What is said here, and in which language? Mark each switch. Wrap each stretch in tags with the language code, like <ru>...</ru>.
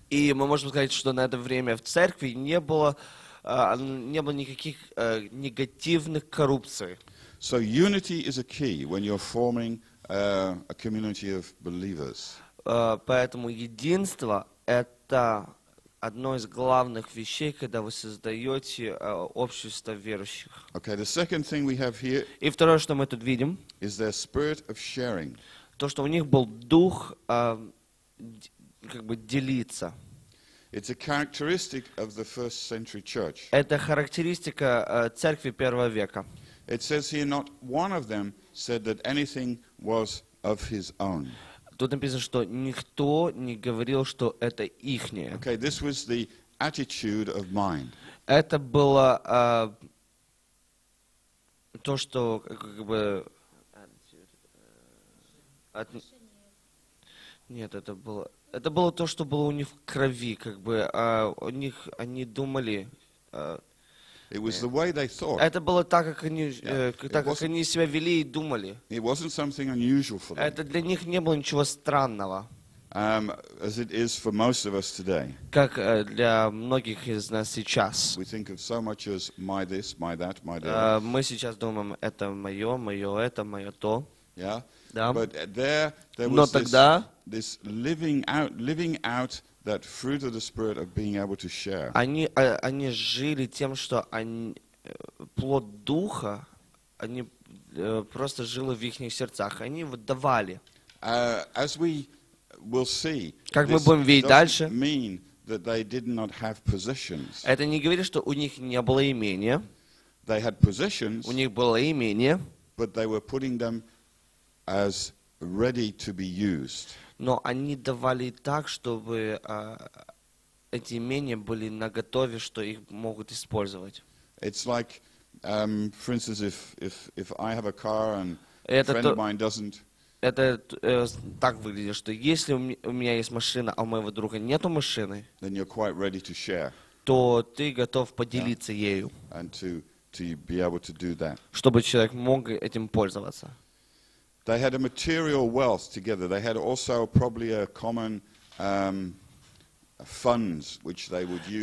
<ru>И мы можем сказать, что на это время в церкви не было никаких негативных коррупций.</ru> <en>So unity is a key when you're forming a community of believers.</en> <ru>Поэтому единство это одно из главных вещей, когда вы создаете общество верующих.</ru> <en>Okay, the second thing we have here.</en> <ru>И второе, что мы тут видим,</ru> <en>is their spirit of sharing.</en> <ru>То, что у них был дух, как бы делиться.</ru> <en>It's a characteristic of the first century church.</en> <ru>Это характеристика церкви первого века.</ru> <en>It says here not one of them said that anything was of his own.</en> <ru>Тут написано, что никто не говорил, что это ихнее.</ru> <en>Okay, this was the attitude of mind.</en> <ru>Это было то, что как бы нет, это было то, что было у них в крови, как бы, они думали.</ru> <en>It was the way they thought.</en> <ru>Это было так, как они, так как они себя вели и думали.</ru> <en>It wasn't something unusual for them.</en> <ru>Это для них не было ничего странного.</ru> <en>As it is for most of us today.</en> <ru>Как для многих из нас сейчас.</ru> <en>We think of so much as my this, my that, my that.</en> <ru>Мы сейчас думаем, это мое, мое это, мое то.</ru> <en>Yeah.</en> <ru>Да.</ru> <en>But there was this living out that fruit of the spirit of being able to share.</en> <ru>Они жили тем, что они плод духа, они просто жили в ихних сердцах, они вот давали.</ru> <en>As we will see.</en> <ru>Как мы будем видеть дальше?</ru> <en>Mean that they did not have possessions.</en> <ru>Это не говорит, что у них не было имения.</ru> <en>They had possessions.</en> <ru>У них было имение.</ru> <en>But they were putting them as ready to be used.</en> <ru>Но они давали так, чтобы эти имения были наготове, что их могут использовать.</ru> <en>It's like, for instance, if I have a car and a friend of mine doesn't.</en> <ru>Это так выглядит, что если у меня есть машина, а у моего друга нету машины.</ru> <en>Then you're quite ready to share.</en> <ru>То ты готов поделиться ею.</ru> <en>And to be able to do that.</en> <ru>Чтобы человек мог этим пользоваться.</ru> <en>They had a material wealth together. They had also probably a common funds which they would use.</en>